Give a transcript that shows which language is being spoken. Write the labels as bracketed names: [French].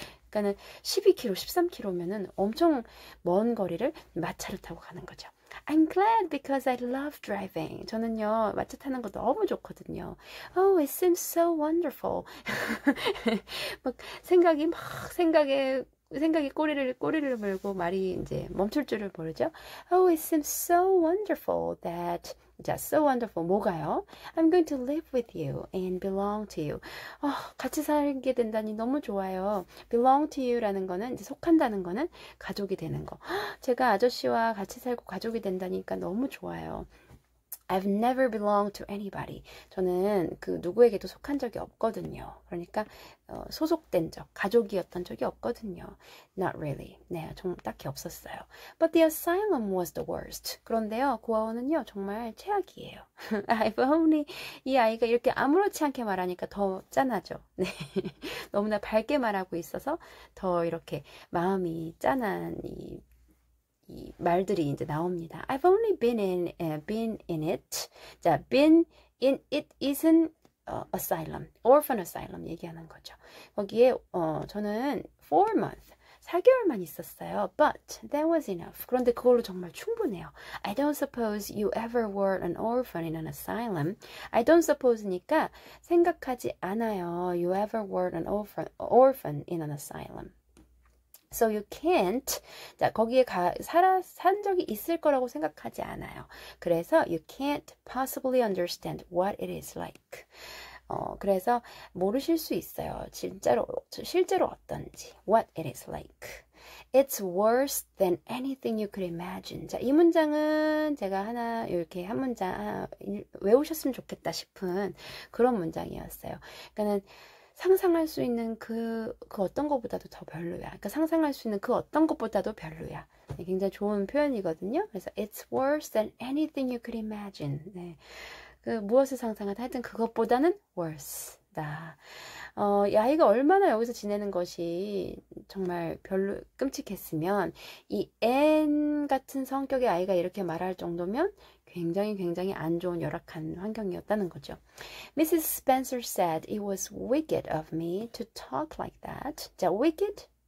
[Korean] 그러니까는 12km, 13km면은 엄청 먼 거리를 마차를 타고 가는 거죠. [English] I'm glad because I love driving. [Korean] 저는요, 마차 타는 거 너무 좋거든요. [English] Oh, it seems so wonderful. [Korean] 막 생각이 꼬리를 물고 말이 이제 멈출 줄을 모르죠. [English] Oh, it seems so wonderful that, so wonderful. [Korean] 뭐가요? [English] I'm going to live with you and belong to you. [Korean] 같이 살게 된다니 너무 좋아요. belong to you라는 거는, 이제 속한다는 거는 가족이 되는 거. 제가 아저씨와 같이 살고 가족이 된다니까 너무 좋아요. [English] I've never belonged to anybody. [Korean] 저는 그 누구에게도 속한 적이 없거든요. 그러니까 소속된 적, 가족이었던 적이 없거든요. [English] Not really. 네, 좀 딱히 없었어요. But the asylum was the worst. [Korean] 그런데요, 고아원은요, 정말 최악이에요. I've only 이 아이가 이렇게 아무렇지 않게 말하니까 더 짠하죠. 네, 너무나 밝게 말하고 있어서 더 이렇게 마음이 짠한 이 말들이 이제 나옵니다. [English] I've only been in it. 자, been in it isn't asylum, orphan asylum 얘기하는 거죠. [Korean] 거기에 저는 4 months, 4개월만 있었어요. [English] But that was enough. [Korean] 그런데 그걸로 정말 충분해요. [English] I don't suppose you ever were an orphan in an asylum. I don't suppose니까 생각하지 않아요. You ever were an orphan in an asylum. [Korean] So you can't, 자, 거기에 산 적이 있을 거라고 생각하지 않아요. [English] 그래서 you can't possibly understand what it is like. [Korean] 그래서 모르실 수 있어요. [English] 실제로 어떤지. What it is like. It's worse than anything you could imagine. [Korean] 자, 이 문장은 제가 하나 이렇게 한 문장 외우셨으면 좋겠다 싶은 그런 문장이었어요. 그러니까는 상상할 수 있는 그 어떤 것보다도 더 별로야. 그러니까 상상할 수 있는 그 어떤 것보다도 별로야. 네, 굉장히 좋은 표현이거든요. [English] 그래서 it's worse than anything you could imagine. [Korean] 네. 그 무엇을 상상하다 하여튼 그것보다는 worse. 나. 아이가 얼마나 여기서 지내는 것이 정말 별로 끔찍했으면 이 N 같은 성격의 아이가 이렇게 말할 정도면 굉장히 안 좋은 열악한 환경이었다는 거죠. [English] Mrs. Spencer said it was wicked of me to talk like that. 자, wicked?